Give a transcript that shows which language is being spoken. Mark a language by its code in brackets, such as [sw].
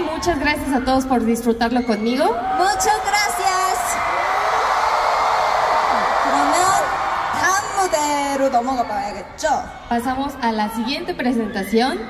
[es] Muchas gracias a todos por disfrutarlo conmigo. Muchas gracias. [ko] 그러면 다음 무대로 넘어가 봐야겠죠? [es] Pasamos a la siguiente presentación.